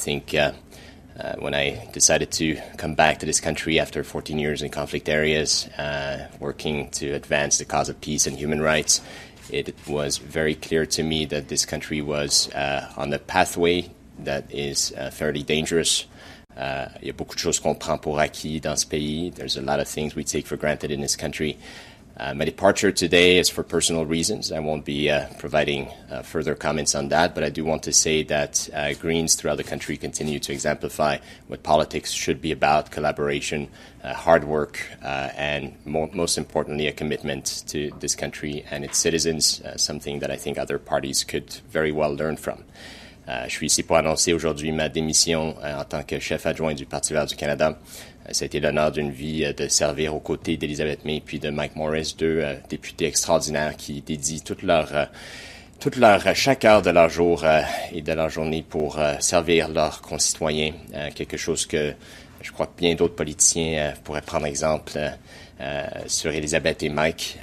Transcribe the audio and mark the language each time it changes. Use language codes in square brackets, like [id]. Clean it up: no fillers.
[en] When I decided to come back to this country after 14 years in conflict areas, working to advance the cause of peace and human rights, it was very clear to me that this country was on the pathway that is fairly dangerous. [fr] Il y a beaucoup de choses qu'on prend pour acquis dans ce pays. [en] There's a lot of things we take for granted in this country. My departure today is for personal reasons. I won't be providing further comments on that, but I do want to say that Greens throughout the country continue to exemplify what politics should be about: collaboration, hard work, and most importantly, a commitment to this country and its citizens, something that I think other parties could very well learn from. [fr] Je suis ici pour annoncer aujourd'hui ma démission en tant que chef adjoint du Parti vert du Canada. C'était l'honneur d'une vie de servir aux côtés d'Elizabeth May puis de Mike Morris, deux députés extraordinaires qui dédient toute leur chaque heure de leur jour et de leur journée pour servir leurs concitoyens, quelque chose que je crois que bien d'autres politiciens pourraient prendre exemple sur Elizabeth et Mike.